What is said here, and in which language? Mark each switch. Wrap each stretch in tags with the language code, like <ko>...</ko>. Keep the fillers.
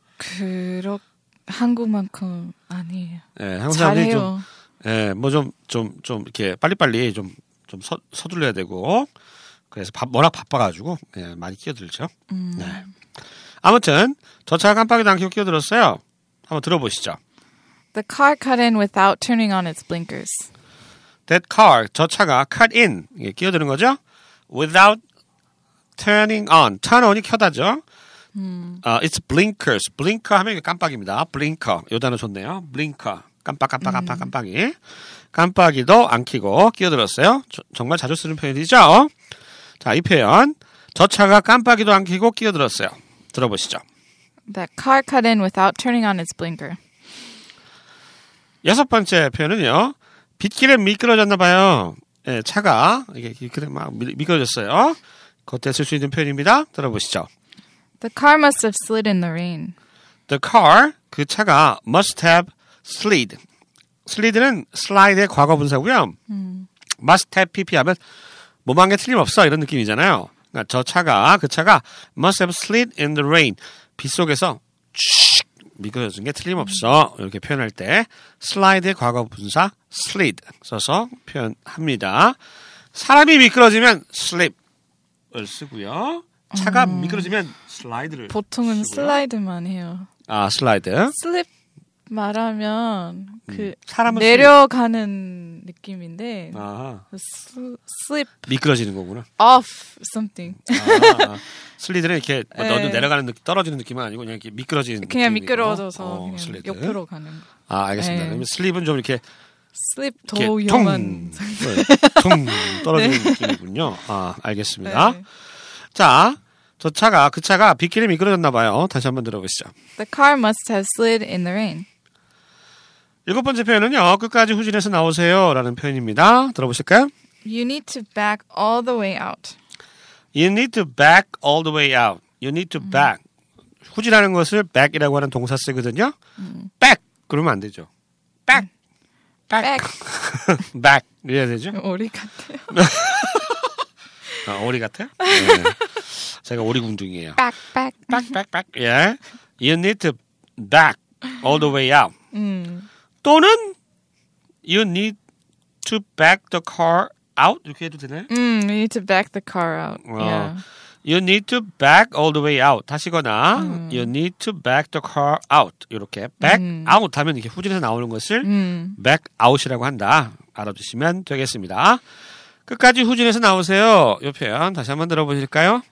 <ko>그렇 한국만큼 아니에요. 예, 항상 좀 잘해요. 예, 뭐 좀, 좀, 좀, 이렇게 빨리빨리 좀, 좀 서, 서둘러야 되고, 그래서 바, 워낙 바빠가지고, 예, 많이 끼어들죠. 음. 네. 아무튼, 저 차가 깜빡이도 안 켜고 끼어들었어요. 한번 들어보시죠.</ko> <en>The car cut in without turning on its blinkers. That car,</en> <ko>저 차가</ko> <en>cut in,</en> <ko>예, 끼어드는 거죠?</ko> <en>Without turning on, turn on</en> <ko>이 켜다죠?</ko> <en>아, it's blinkers.</en> <ko>blinker 하면 이게 깜빡입니다. blinker. 요 단어 좋네요. blinker. 깜빡, 깜빡, 깜빡, 깜빡이. 깜빡이도 안 켜고 끼어들었어요. 저- 정말 자주 쓰는 표현이죠? 자, 이 표현. 저 차가 깜빡이도 안 켜고 끼어들었어요. 들어보시죠.</ko> <en>That car cut in without turning on its blinker.</en> <ko>여섯 번째 표현은요. 빗길에 미끄러졌나 봐요. 예, 차가 이게 빗길에 막 미- 미끄러졌어요. 그때 쓸 수 있는 표현입니다. 들어보시죠.</ko> <en>The car must have slid in the rain. The car</en> <ko>그 차가</ko> <en>must have slid.</en> <ko>slid는 slide의 과거 분사고요.</ko> <en>must have pp</en> <ko>하면 몸한 게 틀림없어 이런 느낌이잖아요. 그러니까 저 차가 그 차가</ko> <en>must have slid in the rain.</en> <ko>빗 속에서 쭉 미끄러진 게 틀림없어 이렇게 표현할 때 slide의 과거 분사 slid 써서 표현합니다. 사람이 미끄러지면 slip을 쓰고요. 차가 미끄러지면 slide를 보통은 쓰고요. 슬라이드만 해요. 아 슬라이드. 슬립 말하면 그 사람은 내려가는 느낌인데 아 슬- 슬립 미끄러지는 거구나.</ko> <en>off something.</en> <ko>아, 슬리드는 이렇게 뭐 네. 너도 내려가는 느낌, 떨어지는 느낌은 아니고 그냥 이렇게 미끄러지는 그냥 느낌이고. 미끄러져서 어, 그냥 슬리드. 옆으로 가는 거. 아 알겠습니다. 네. 그러면 슬립은 좀 이렇게 슬립 더 이렇게 위험한. 퉁 떨어지는 느낌이군요. 아 알겠습니다. 네. 자. 저 차가 그 차가 빗길에 미끄러졌나 봐요. 다시 한번 들어보시죠.</ko> <en>The car must have slid in the rain.</en> <ko>일곱 번째 표현은요. 끝까지 후진해서 나오세요라는 표현입니다. 들어보실까요?</ko> <en>You need to back all the way out. You need to back all the way out. You need to back.</en> <ko>후진하는 것을 back이라고 하는 동사 쓰거든요. back 그러면 안 되죠.</ko> <en>back. back. Back.</en> <ko>back. 이래야 되죠. 오리 같아요. 아, 오리 같아요? 네. 제가 오리군둥이에요.</ko> <en>Back, back. back back back. 예. You need to back all the way out. 음.</en> <ko>또는</ko> <en>you need to back the car out</en> <ko>이렇게 해도 되나요?</ko> <en>Mm, you need to back the car out. Wow. Yeah. You need to back all the way out.</en> <ko>다시거나</ko> <en>you need to back the car out.</en> <ko>이렇게 back out 하면 이렇게 후진해서 나오는 것을 음. back out이라고 한다. 알아두시면 되겠습니다. 끝까지 후진해서 나오세요. 이 표현 다시 한번 들어보실까요?</ko>